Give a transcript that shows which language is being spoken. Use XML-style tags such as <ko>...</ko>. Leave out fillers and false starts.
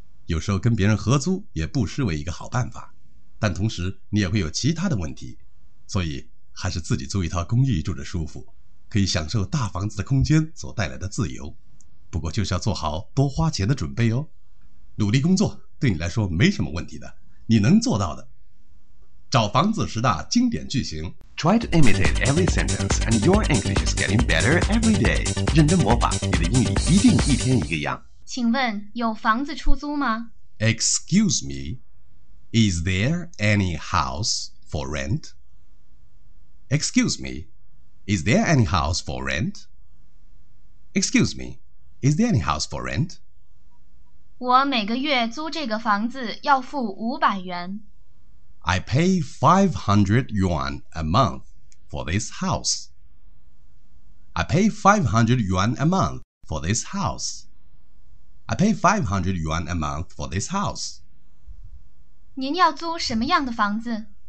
<zh>有时候跟别人合租也不失为一个好办法，但同时你也会有其他的问题，所以还是自己租一套公寓住着舒服，可以享受大房子的空间所带来的自由。不过就是要做好多花钱的准备哦。努力工作对你来说没什么问题的，你能做到的。找房子十大经典句型。</zh> <en>Try to imitate every sentence and your English is getting better every day.</en> <zh>认真模仿，你的英语一定一天一个样。请问有房子出租吗？</zh> <en>Excuse me, is there any house for rent? Excuse me, is there any house for rent? Excuse me, is there any house for rent?</en> <zh>我每个月租这个房子要付500元。</zh> <en>I pay 500 yuan a month for this house. I pay 500 yuan a month for this house. I pay 500 yuan a month for this house.</en> <zh>您要租什么样的房子？</zh>